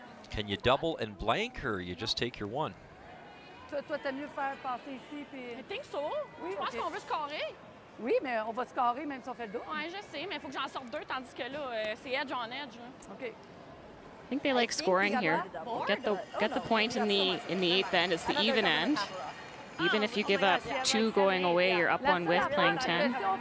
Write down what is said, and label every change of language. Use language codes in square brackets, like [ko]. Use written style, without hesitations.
[en] Can you double and blank, or you just take your one? [fr] Toi, t'aimes mieux faire passer ici, puis... [en] I think so. [fr] Oui, je pense qu'on veut se carrer. Oui, mais on va se carrer même si on fait le double. Oui, je sais, mais il faut que j'en sorte deux, tandis que là, c'est edge on edge. Hein. [en] OK. I think they like scoring here. Get the point in the eighth end. It's the even end. Even if you give up two going away, you're up one with playing 10.